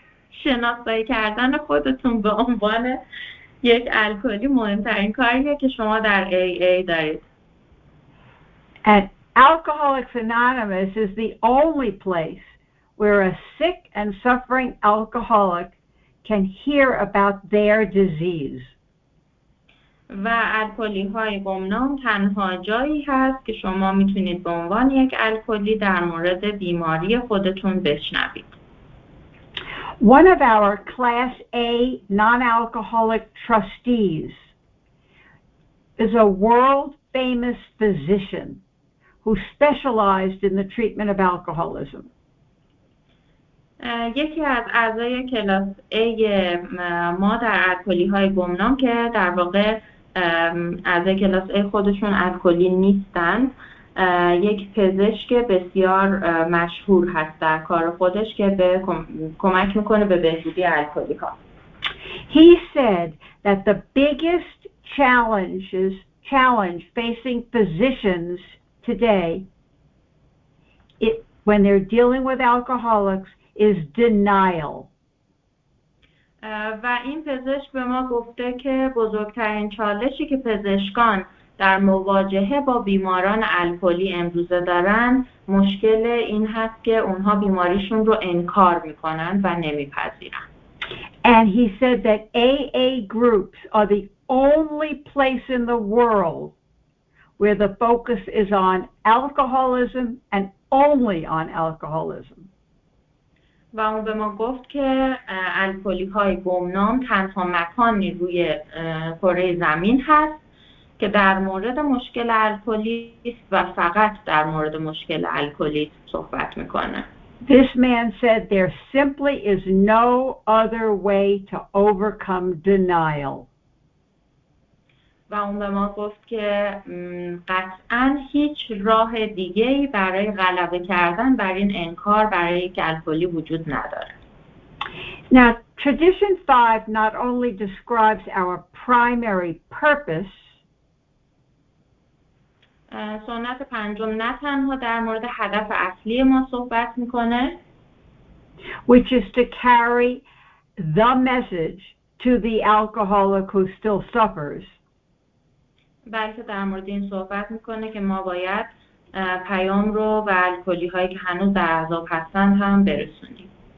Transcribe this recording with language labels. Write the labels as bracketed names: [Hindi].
[Persian] شناسایی کردن خودتون به عنوان یک الکلی مهمترین کاریه که شما در AA دارید. [English] And Alcoholics Anonymous is the only place where a sick and suffering alcoholic can hear about their disease. [Persian] و الکلی های گمنام تنها جایی هست که شما میتونید به عنوان یک الکلی در مورد بیماری خودتون بشنوید. [English] One of our class A non-alcoholic trustees is a world famous physician who specialized in the treatment of alcoholism. [Persian] یکی از اعضای کلاس A ما در الکلی های گمنام که در واقع از کلاس A خودشون الکلی نیستند، یک پزشک بسیار مشهور هست در کار خودش که به کمک میکنه به بهبودی الکلی ها. [English] He said that the biggest challenge facing physicians today when they're dealing with alcoholics is denial. [Persian] و این پزشک به ما گفته که بزرگترین چالشی که پزشکان در مواجهه با بیماران الکلی امروزه دارن مشکل این هست که اونها بیماریشون رو انکار میکنن و نمیپذیرن. [English] And he said that AA groups are the only place in the world where the focus is on alcoholism and only on alcoholism. [Persian] و اون به ما گفت که الکلی‌های گمنام تنها مکانی روی کره زمین هست که در مورد مشکل الکلی است و فقط در مورد مشکل الکلی صحبت می‌کنه. [English] This man said there simply is no other way to overcome denial. [Persian] و اون به ما گفت که قطعاً هیچ راه دیگه‌ای برای غلبه کردن بر این انکار برای الکلی وجود نداره. [English] Now, tradition 5 not only describes our primary purpose, [Persian] سنت پنجم نه تنها در مورد هدف اصلی ما صحبت میکنه [English] which is to carry the message to the alcoholic who still suffers [Persian] بلکه در مورد این صحبت میکنه که ما باید پیام رو به الکلی هایی که هنوز در عذاب هستن هم برسونیم